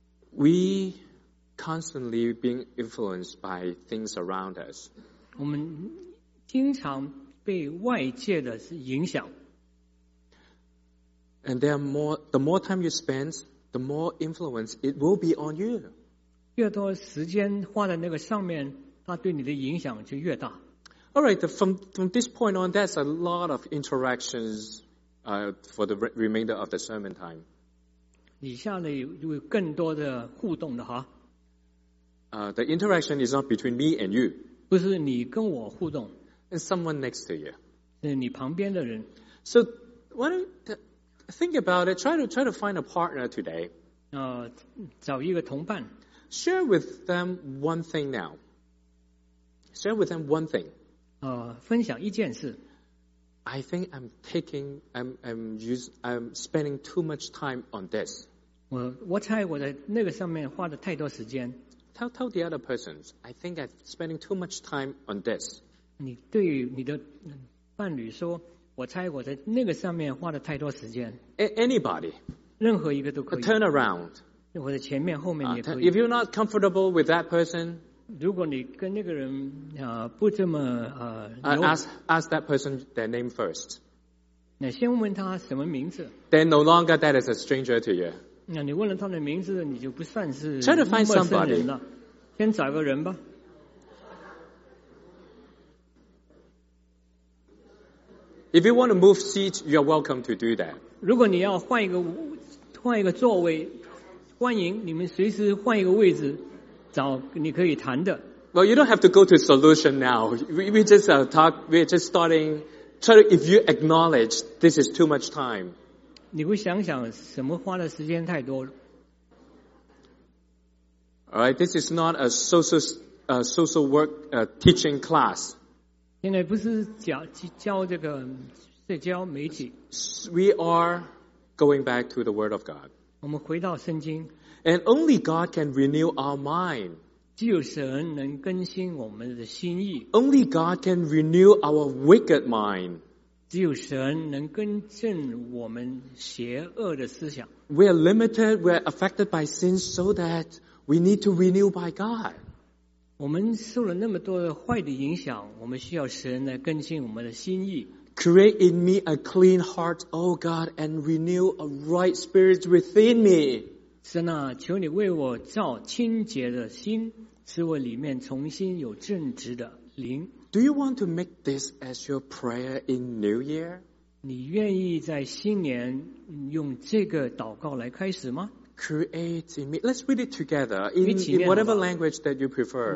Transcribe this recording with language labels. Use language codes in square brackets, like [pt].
[en] We constantly being influenced by things around us. [zh] 我们经常被外界的影响。 [en] And there are more, the more time you spend, the more influence it will be on you. [zh] 越多时间花在那个上面，它对你的影响就越大。 [en] All right, from this point on, that's a lot of interactions for the remainder of the sermon time. [zh] 以下呢有更多的互动的哈。 [en] The interaction is not between me and you. [zh] 不是你跟我互动。 [en] And someone next to you. [zh] 是你旁边的人。 [en] So, why don't you... Think about it. Try to find a partner today. [zh] 找一个同伴。 [en] Share with them one thing now. Share with them one thing. [zh] 分享一件事。 [en] I think I'm spending too much time on this. [zh] 我猜我在那个上面花了太多时间。 [en] Tell the other persons. I think I'm spending too much time on this. [zh] 你对你的伴侣说。我猜我在那个上面花了太多时间。 [en] Anybody, [zh] 任何一个都可以。 [en] Turn around. [zh] 我的前面后面也可以。 [en] If you're not comfortable with that person, [zh] 如果你跟那个人不这么 [en] ask that person their name first. [zh] 那先问他什么名字。 [en] Then no longer that is a stranger to you. [zh] 那你问了他的名字，你就不算是陌生人了。 [en] Try to find somebody. [zh] 先找个人吧。 [en] If you want to move seats, you are welcome to do that. [zh] 如果你要换一个座位，欢迎你们随时换一个位置，找你可以谈的。 [en] Well, you don't have to go to solution now. We're just starting. If you acknowledge this is too much time, [zh] 你会想想什么花的时间太多了。 [en] All right, this is not a social work teaching class. [zh] 现在不是 教这个社交媒体。 [en] We are going back to the Word of God. [zh] 我们回到圣经。 [en] And only God can renew our mind. [zh] 只有神能更新我们的心意。 [en] Only God can renew our wicked mind. [zh] 只有神能更正我们邪恶的思想。 [en] We are limited, we are affected by sin so that we need to renew by God. [zh] 我们受了那么多的坏的影响，我们需要神来更新我们的心意。 [en] Create in me a clean heart, O God, and renew a right spirit within me. [zh] 神啊，求你为我造清洁的心，使我里面重新有正直的灵。 [en] Do you want to make this as your prayer in New Year? [zh] 你愿意在新年用这个祷告来开始吗？ [en] Create in me. Let's read it together in whatever language that you prefer.